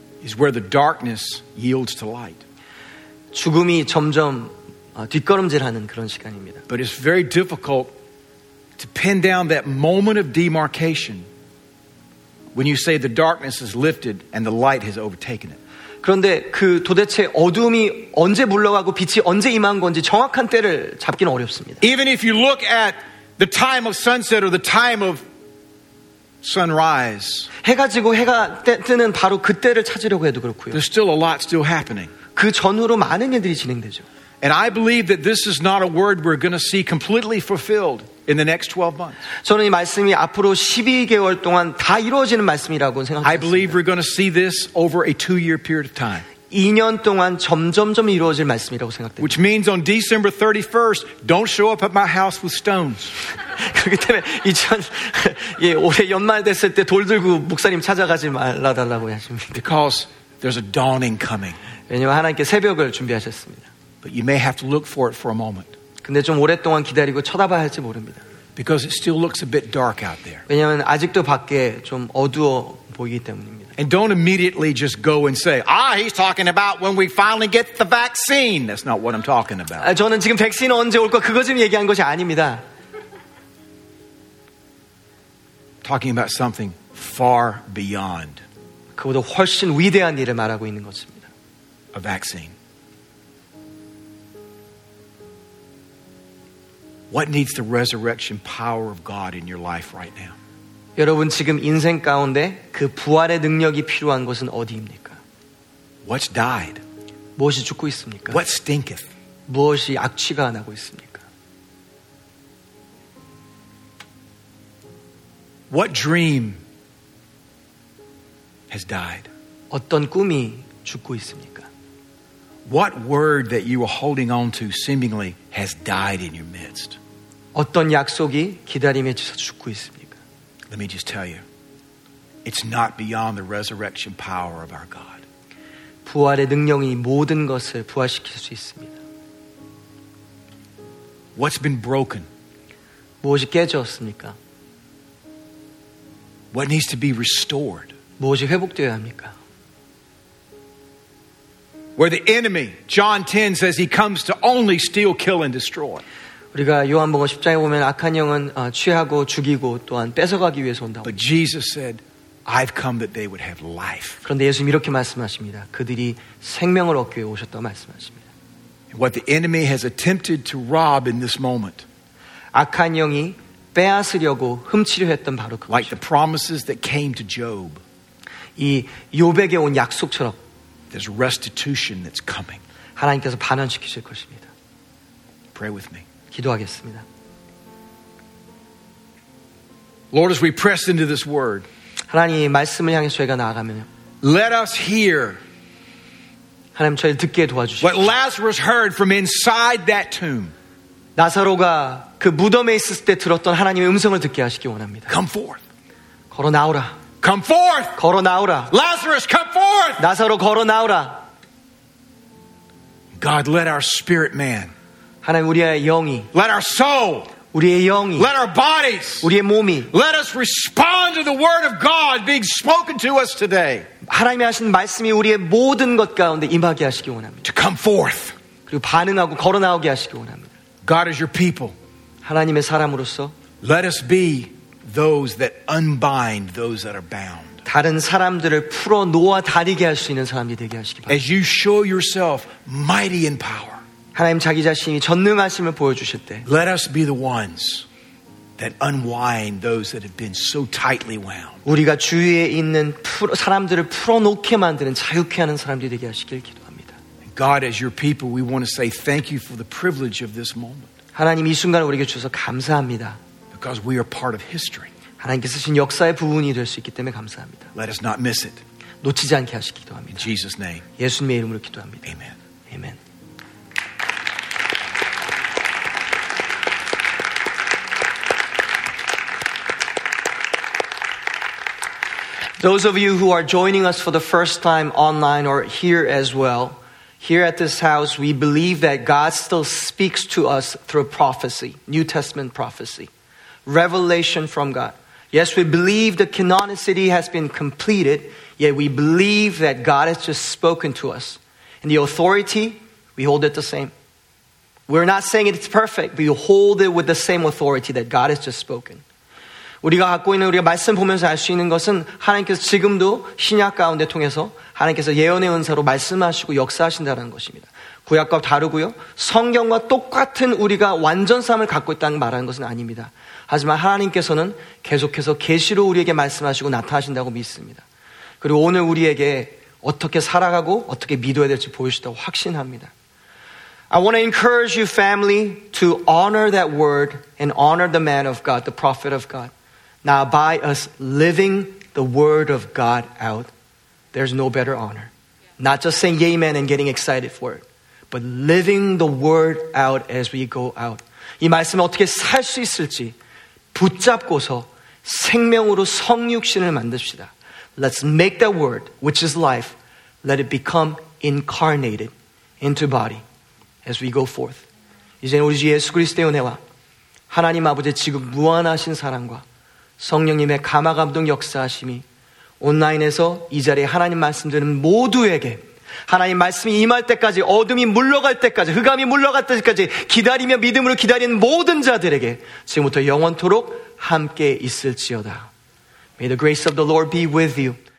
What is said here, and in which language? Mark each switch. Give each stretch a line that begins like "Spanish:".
English: It's where the darkness yields to light.
Korean: 죽음이 점점 뒷걸음질하는 그런 시간입니다.
English: But it's very difficult to pin down that moment of demarcation. When you say the darkness is lifted and the light has overtaken it.
Korean: 그런데 그 도대체 어둠이 언제 물러가고 빛이 언제 임한 건지 정확한 때를 잡기는 어렵습니다.
English: Even if you look at the time of sunset or the time of sunrise.
Korean: 해가 지고 해가 뜨는 바로 그때를 찾으려고 해도 그렇고요.
English: There's still a lot still happening.
Korean: 그 전후로 많은 일들이 진행되죠.
English: And I believe that this is not a word we're going to see completely fulfilled in the next 12 months.
Korean: 저는 이 말씀이 앞으로 12개월 동안 다 이루어지는 말씀이라고 생각합니다.
English: I believe we're going to see this over a 2-year period of time.
Korean: 2년 동안 점점점 이루어질 말씀이라고 생각됩니다.
English: Which means on December 31st, don't show up at my house with stones.
Korean: 그렇기 때문에 올해 연말 됐을 때 돌 들고 목사님 찾아가지 말라달라고 하십니다.
English: Because there's a dawning coming.
Korean: 왜냐하면 하나님께 새벽을 준비하셨습니다.
English: But you may have to look for it for a moment.
Korean: 근데 좀 오랫동안 기다리고 쳐다봐야 할지 모릅니다.
English: Because it still looks a bit dark out there.
Korean: 왜냐하면 아직도 밖에 좀 어두워 보이기 때문입니다.
English: And don't immediately just go and say, "Ah, he's talking about when we finally get the vaccine." That's not what I'm talking about.
Korean: 저는 지금 백신 언제 올까 그거 지금 얘기한 것이 아닙니다.
English: Talking about something far beyond.
Korean: 그보다 훨씬 위대한 일을 말하고 있는 것입니다.
English: A vaccine. What needs the resurrection power of God in your life right now?
Korean: 여러분 지금 인생 가운데 그 부활의 능력이 필요한 것은 어디입니까?
English: What's died?
Korean: 무엇이 죽고 있습니까?
English: What stinketh?
Korean: 무엇이 악취가 나고 있습니까?
English: What dream has died?
Korean: 어떤 꿈이 죽고 있습니까?
English: What word that you are holding on to seemingly has died in your midst?
Korean: 어떤 약속이 기다림에 지쳐 죽고 있습니까?
English: Let me just tell you, it's not beyond the resurrection power of our God.
Korean: 부활의 능력이 모든 것을 부활시킬 수 있습니다.
English: What's been broken?
Korean: 무엇이 깨졌습니까?
English: What needs to be restored?
Korean: 무엇이 회복되어야 합니까?
English: Where the enemy, John 10 says he comes to only steal, kill, and destroy.
Korean: 우리가 요한복음 10장에 보면 악한 영은 취하고 죽이고 또한 뺏어가기 위해서 온다고.
English: But Jesus said, I've come that they would have life.
Korean: 그런데 예수님 이렇게 말씀하십니다. 그들이 생명을 얻기 위해 오셨다고 말씀하십니다.
English: What the enemy has attempted to rob in this moment.
Korean: 악한 영이 빼앗으려고 훔치려 했던 바로 그것.
English: Like the promises that came to Job.
Korean: 이 욥에게 온 약속처럼.
English: There's restitution that's coming.
Korean: 하나님께서 반환시키실 것입니다.
English: Pray with me.
Korean: 기도하겠습니다.
English: Lord, as we press into this word,
Korean: 하나님 말씀을 향해 저희가 나아가면요.
English: Let us hear.
Korean: 하나님 저희를 듣게 도와주십시오.
English: What Lazarus heard from inside that tomb.
Korean: 나사로가 그 무덤에 있을 때 들었던 하나님의 음성을 듣게 하시기 원합니다.
English: Come forth.
Korean: 걸어 나오라.
English: Come forth.
Korean: 걸어 나오라.
English: Lazarus, come forth.
Korean: 나사로 걸어 나오라.
English: God, let our spirit man.
Korean: 하나님 우리의 영이
English: Let our soul
Korean: 우리의 영이
English: Let our bodies
Korean: 우리의 몸이
English: Let us respond to the word of God being spoken to us today
Korean: 하나님이 하신 말씀이 우리의 모든 것 가운데 임하게 하시기 원합니다
English: To come forth
Korean: 그리고 반응하고 걸어나오게 하시기 원합니다
English: God is your people
Korean: 하나님의 사람으로서
English: Let us be those that unbind those that are bound
Korean: 다른 사람들을 풀어 놓아 다니게 할 수 있는 사람이 되게 하시기 바랍니다
English: As you show yourself mighty in power
Korean: 하나님 자기 자신이 전능하심을 보여주실 때
English: Let us be the ones that unwind those that have been so tightly wound.
Korean: 우리가 주위에 있는 사람들을 풀어놓게 만드는 자유케 하는 사람들이 되게 하시길 기도합니다.
English: God, as your people, we want to say thank you for the privilege of this moment.
Korean: 하나님 이 순간을 우리에게 주셔서 감사합니다.
English: Because we are part of history.
Korean: 하나님께 쓰신 역사의 부분이 될 수 있기 때문에 감사합니다.
English: Let us not miss it.
Korean: 놓치지 않게 하시길 기도합니다.
English: In Jesus' name.
Korean: 예수님의 이름으로 기도합니다.
English: Amen. Amen. Those of you who are joining us for the first time online or here as well, here at this house, we believe that God still speaks to us through prophecy, New Testament prophecy, revelation from God. Yes, we believe the canonicity has been completed, yet we believe that God has just spoken to us. And the authority, we hold it the same. We're not saying it's perfect, but we hold it with the same authority that God has just spoken.
Korean: 우리가 갖고 있는 우리가 말씀 보면서 알 수 있는 것은 하나님께서 지금도 신약 가운데 통해서 하나님께서 예언의 은사로 말씀하시고 역사하신다는 것입니다. 구약과 다르고요. 성경과 똑같은 우리가 완전삼을 갖고 있다는 말하는 것은 아닙니다. 하지만 하나님께서는 계속해서 계시로 우리에게 말씀하시고 나타나신다고 믿습니다. 그리고 오늘 우리에게 어떻게 살아가고 어떻게 믿어야 될지 보여주시다고 확신합니다.
English: I want to encourage you, family, to honor that word and honor the man of God, the prophet of God. Now, by us living the word of God out, there's no better honor. Not just saying amen and getting excited for it, but living the word out as we go out.
Korean: 이 말씀을 어떻게 살 수 있을지 붙잡고서 생명으로 성육신을 만듭시다.
English: Let's make that word, which is life, let it become incarnated into body. As we go forth,
Korean: 이제는 우리 주 예수 그리스도의 은혜와 하나님 아버지의 지금 무한하신 사랑과 성령님의 감화 감동 역사하심이 온라인에서 이 자리에 하나님 말씀 드리는 모두에게 하나님 말씀이 임할 때까지 어둠이 물러갈 때까지 흑암이 물러갈 때까지 기다리며 믿음으로 기다리는 모든 자들에게 지금부터 영원토록 함께 있을지어다.
English: May the grace of the Lord be with you.